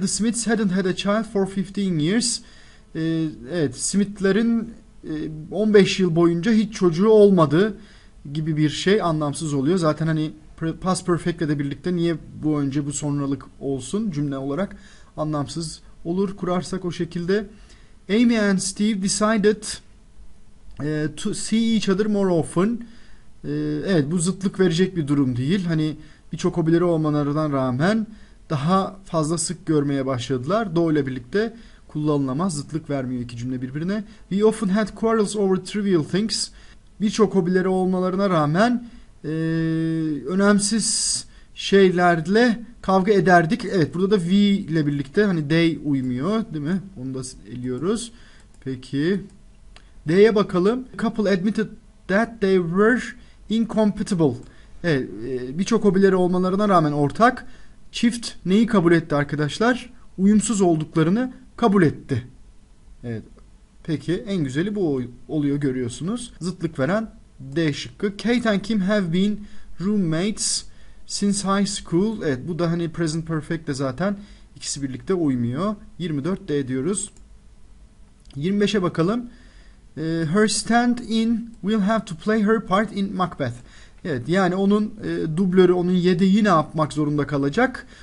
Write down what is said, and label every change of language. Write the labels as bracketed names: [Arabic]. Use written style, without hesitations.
[English] "The Smiths hadn't had a child for 15 years." [Turkish] Evet, Smith'lerin 15 yıl boyunca hiç çocuğu olmadı gibi bir şey anlamsız oluyor. Zaten hani past perfect'le de birlikte niye bu önce bu sonralık olsun cümle olarak anlamsız olur kurarsak o şekilde. [English] "Amy and Steve decided to see each other more often." [Turkish] Evet, bu zıtlık verecek bir durum değil. Hani birçok hobileri olmalarına rağmen daha fazla sık görmeye başladılar. Doğru ile birlikte kullanılamaz. Zıtlık vermiyor iki cümle birbirine. [English] "We often had quarrels over trivial things." [Turkish] Birçok hobileri olmalarına rağmen önemsiz şeylerle kavga ederdik. Evet, burada da we ile birlikte hani they uymuyor, değil mi? Onu da eliyoruz. Peki D'ye bakalım. [English] "Couple admitted that they were incompatible." [Turkish] Evet, birçok hobileri olmalarına rağmen ortak çift neyi kabul etti arkadaşlar? Uyumsuz olduklarını kabul etti. Evet. Peki en güzeli bu oluyor görüyorsunuz. Zıtlık veren D şıkkı. [English] "Kate and Kim have been roommates since high school." [Turkish] Evet, bu da hani present perfect de zaten ikisi birlikte uymuyor. 24 D diyoruz. 25'e bakalım. [English] "Her stand in will have to play her part in Macbeth." [Turkish] Evet, yani onun dublörü, onun yedeği ne yapmak zorunda kalacak?